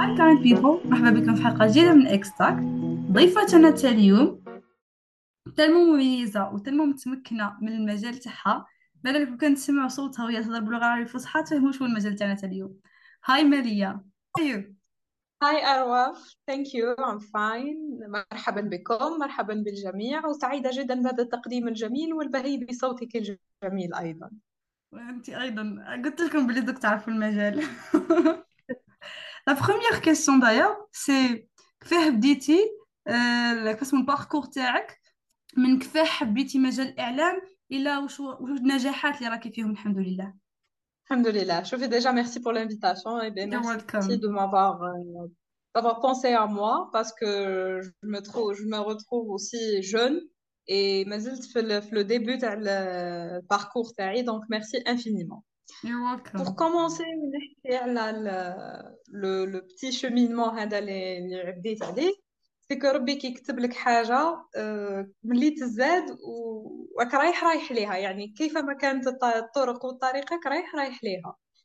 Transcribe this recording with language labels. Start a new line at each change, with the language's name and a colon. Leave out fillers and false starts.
Arabic: بيبو، مرحبا بكم في حلقة جديدة من اكس تاك. ضيفتنا تاع اليوم تلمو مميزة وتلمو متمكنة من المجال تاعها، بالك لو كان تسمع صوتها وهي تهضر باللغة العربية الفصحى تفهموا شو المجال تاعنا تاع اليوم. هاي ماليا، هاي
English: Hi أروى، thank you, I'm fine.
Arabic: مرحبا بكم، مرحبا بالجميع، وسعيدة جدا بهذا التقديم الجميل والبهي بصوتك الجميل أيضا. وانت ايضا قلت لكم بلي دوك تعرفوا المجال.
French: La première question d'ailleurs, c'est
Arabic: كيفاه بديتي قسم الباركور تاعك، من كيفاه حبيتي مجال الإعلام إلى وش النجاحات اللي راكي فيهم الحمد لله. الحمد لله.
French: شوفي déjà merci pour l'invitation et bien
English: You're welcome.
French: merci de m'avoir pensé à moi parce que je me retrouve aussi jeune et mazalt le début تاع le parcours تاعي, donc merci infiniment.
English: You're welcome.
French: Pour commencer
Arabic: نحكي على
French: le petit cheminement
Arabic: هذا اللي عديت عليه,
French: c'est que
Arabic: ربي كيكتب لك حاجة مليت الزاد و وك رايح ليها, يعني كيف ما كانت الطرق والطريقة رايح ليها.